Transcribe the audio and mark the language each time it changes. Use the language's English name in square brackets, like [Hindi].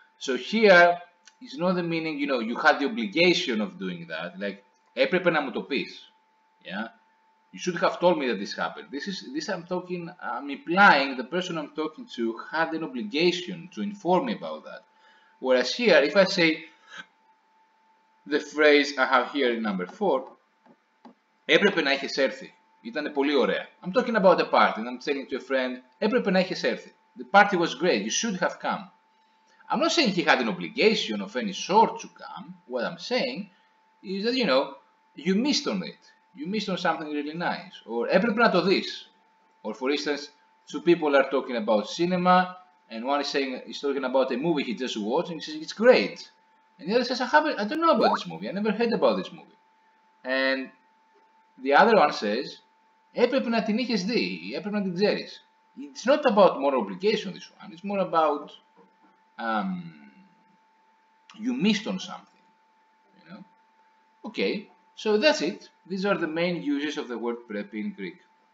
[English] So here is not the meaning, you know, you had the obligation of doing that, like, [Greek] έπρεπε να μου το πεις, [English] yeah? You should have told me that this happened. I'm implying the person I'm talking to had an obligation to inform me about that. Whereas here, if I say the phrase I have here in number 4, [Greek] έπρεπε να είχες έρθει, ήταν πολύ ωραία. [English] I'm talking about a party and I'm telling to a friend, [Greek] έπρεπε να είχες έρθει. [English] The party was great, you should have come. I'm not saying he had an obligation of any sort to come. What I'm saying is that, you know, you missed on it. You missed on something really nice. Or [Greek] έπρεπε να το δεις. [English] Or for instance, two people are talking about cinema, and one is saying he's talking about a movie he just watched, and he says it's great. And the other says, I don't know about this movie. I never heard about this movie. And the other one says, [Greek] έπρεπε να την είχες δει. Έπρεπε να την ξέρεις. [English] It's not about moral obligation, this one. It's more about you missed on something, you know. Okay, so that's it. These are the main uses of the word prepi in Greek.